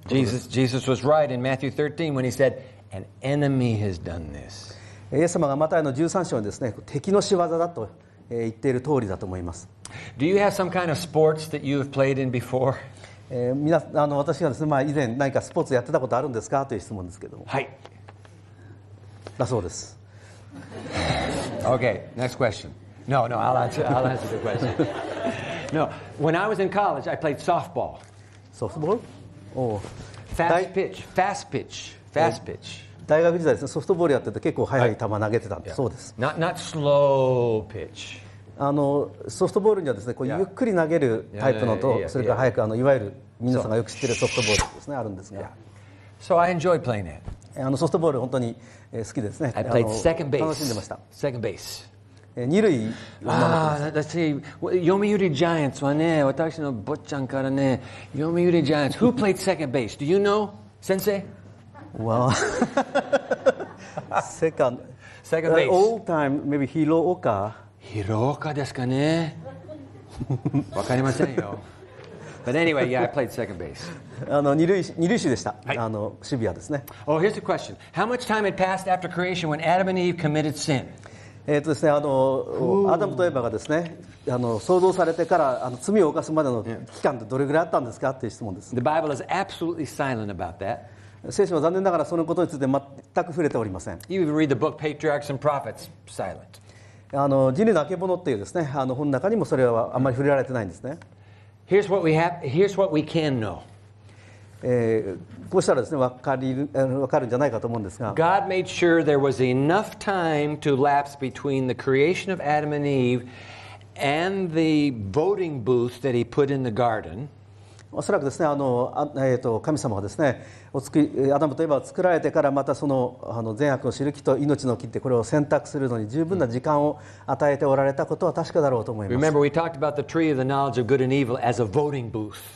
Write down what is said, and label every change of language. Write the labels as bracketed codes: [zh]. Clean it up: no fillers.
[en] Jesus was right in Matthew 13 when he said, an enemy has done this. [ja] イエス様がマタイの13章にですね、敵の仕業だと言っている通りだと思います。 [en] Do you have some kind of sports that you've played in before? [ja] 私がですね、まあ、以前何かスポーツやってたことあるんですかという質問ですけども。はい。だそうです。 [en] Okay, next question. No, I'll answer the question. No, when I was in college, I played softball. [ja] ソフトボール? [en] Oh. Fast pitch. [ja] 大学時代ですね、ソフトボールやってて結構速い球投げてたんで、そうです。 [en] Not slow pitch. [ja] ソフトボールにはですね、こうゆっくり投げるタイプのと、それから速く、いわゆる皆さんがよく知ってるソフトボールですね、あるんですが。 [en] So I enjoy playing it. [ja] ソフトボール本当に好きですね。 [en] I played second base. [ja] 楽しんでました。 [en] Second base. [ja] 二塁。 [en] Let's see. [ja] 読売ジャイアンツはね、私の坊ちゃんからね、読売ジャイアンツ。 [en] Who played second base? Do you know, 先生? Well, second base. Old time, maybe Hirooka. [ja] Hirooka ですかね。わかりませんよ。 [en] But anyway, yeah, I played second base. [ja] 二塁手でした。はい。守備はですね。 [en] Oh, here's a question. How much time had passed after creation when Adam and Eve committed sin? [ja] ですね、アダムとエバがですね、創造されてから罪を犯すまでの期間ってどれぐらいあったんですかっていう質問です。 [en] The Bible is absolutely silent about that. [ja] 聖書は残念ながらそのことについて全く触れておりません。 [en] You even read the book Patriarchs and Prophets, silent. [ja] 人類のあけぼのっていうですね、本の中にもそれはあんまり触れられてないんですね。 [en] Here's what we have, here's what we can know. [ja] こうしたらですね、分かるんじゃないかと思うんですが。 [en] God made sure there was enough time to lapse between the creation of Adam and Eve and the voting booth that he put in the garden. [ja] おそらくですね、神様がですね、アダムとエバを作られてからまたその、善悪を知る木と命の木ってこれを選択するのに十分な時間を与えておられたことは確かだろうと思います。 [en] Remember, we talked about the tree of the knowledge of good and evil as a voting booth.